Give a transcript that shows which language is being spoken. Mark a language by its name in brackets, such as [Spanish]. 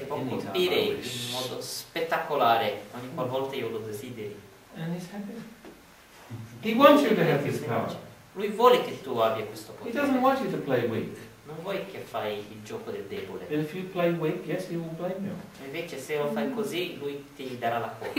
[Italian] Che può colpire in modo spettacolare, ogni qualvolta io lo desideri. [English] And he's happy. He wants you to have this power. [Italian] Lui vuole che tu abbia questo potere. [English] He doesn't want you to play weak. [Italian] Non vuoi che fai il gioco del debole. [English] And if you play weak, yes, he will blame you. [Italian] E invece se lo fai così, lui ti darà la colpa.